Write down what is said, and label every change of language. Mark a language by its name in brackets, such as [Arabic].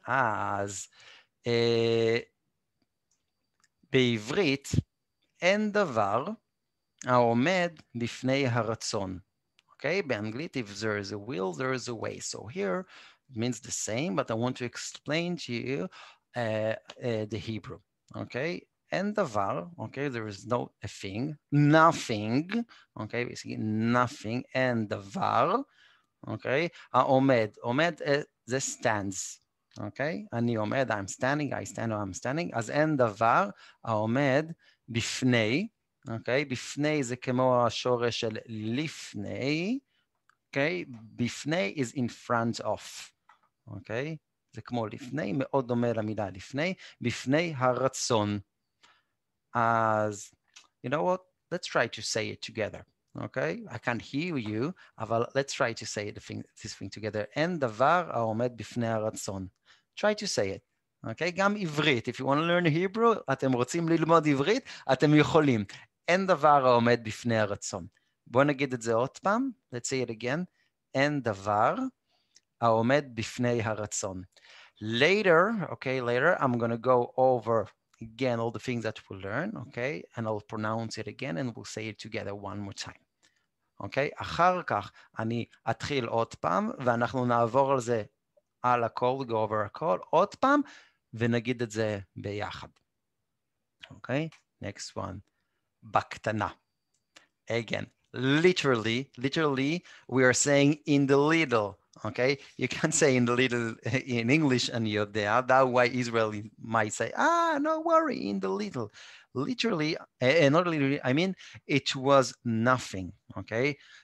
[Hebrew] אז בעברית אין דבר העומד בפני הרצון. אוקיי? באנגלית, [English] if there is a will, there is a way. So here means the same, but I want to explain to you the Hebrew. [Hebrew] אוקיי? אין דבר, [English] okay, there is no a thing, nothing, okay, basically nothing, אין דבר, [Hebrew] okay, העומד, עומד, זה [English] stands, [Hebrew] okay, אני עומד, [English] I'm standing, I stand or I'm standing, [Hebrew] אז אין דבר, העומד, בפני, okay, בפני זה כמו השורש של לפני, okay, בפני [English] is in front of, [Hebrew] okay, זה כמו לפני, מאוד דומה למילה לפני, בפני הרצון. [English] As you know what, let's try to say it together. Okay, I can't hear you, [Hebrew] אבל [English] let's try to say the thing, this thing together. [Hebrew] אין דבר העומד בפני הרצון. [English] Try to say it. [Hebrew] Okay, גם עברית. [English] If you want to learn Hebrew, [Hebrew] אתם רוצים ללמוד עברית, אתם יכולים. אין דבר העומד בפני הרצון. בוא נגיד את זה עוד פעם. [English] Let's say it again. [Hebrew] אין דבר העומד בפני הרצון. [English] Later, okay, later, I'm going to go over again, all the things that we'll learn, okay? And I'll pronounce it again and we'll say it together one more time. Okay? [Hebrew] אחר כך אני אתחיל עוד פעם ואנחנו נעבור על זה על הכל, [English] go over [Hebrew] הכל, עוד פעם ונגיד את זה ביחד. [English] Okay? Next one. [Hebrew] בקטנה. [English] Again, literally, we are saying in the little. Okay, you can't say in the little in English and you're there. That's why Israeli might say, no worry, in the little. Literally, not literally, I mean, it was nothing, okay?